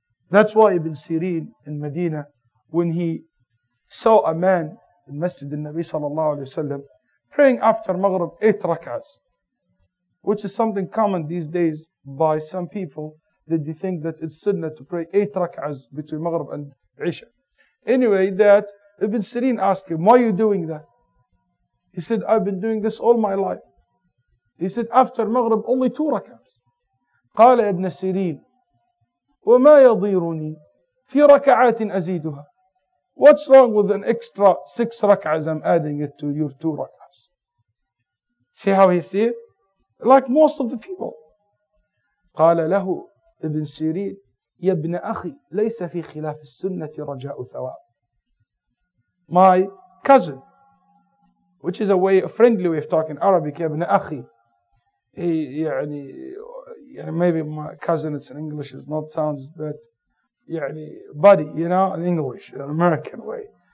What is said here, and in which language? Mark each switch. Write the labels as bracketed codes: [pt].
[en] That's why Ibn Sirin in Medina, when he saw a man in Masjid al-Nabi sallallahu alayhi wa sallam praying after Maghrib 8 rak'ahs, which is something common these days by some people, that they think that it's sunnah to pray 8 rak'ahs between Maghrib and Isha. Anyway, that Ibn Sirin asked him, why are you doing that? He said, I've been doing this all my life. He said, after Maghrib, only 2 rak'ahs. [ar] Qala Ibn Sirin, وَمَا يَضِيرُنِي فِي رَكَعَاتٍ أَزِيدُهَا. [en] What's wrong with an extra 6 rak'ahs I'm adding it to your 2 rak'ahs? See how he said? Like most of the people. [ar] قَالَ لَهُ Ibn Sirin, يَا ابْنَ أَخِي لَيْسَ فِي خِلَافِ السُّنَّةِ رَجَاءُ ثَوَابٍ. [en] My cousin, which is a friendly way of talking Arabic, ابن أخي. He, يعني, maybe my cousin, it's in English, it's not sounds that, يعني, buddy, you know, in English, in an American way.